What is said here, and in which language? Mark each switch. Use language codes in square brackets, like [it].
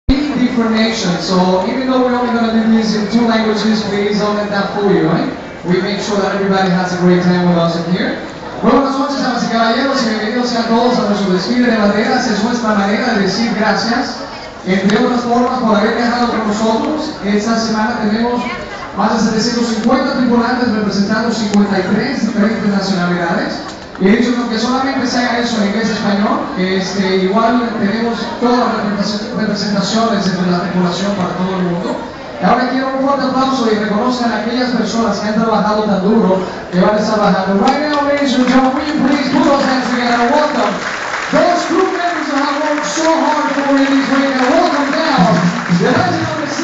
[en] different nations, so even though we're only going to do this in two languages, we zoned that for you, right? We make sure that everybody has a great time with us in here. [es] Buenas noches, damas y caballeros, y bienvenidos a todos a nuestro desfile de banderas. Es nuestra manera de decir gracias, entre otras formas, por haber viajado con nosotros. Esta semana tenemos más de 750 tripulantes representando 53 diferentes nacionalidades. Y dicho que solamente sea eso en inglés y español, igual tenemos todas las representaciones de la tripulación para todo el mundo. Y ahora quiero un fuerte aplauso y reconozcan a aquellas personas que han trabajado tan duro, que van a estar trabajando. [en] Right now, ladies and gentlemen, will you please put those hands together and welcome those crew members that have worked so hard for you this week, and welcome down the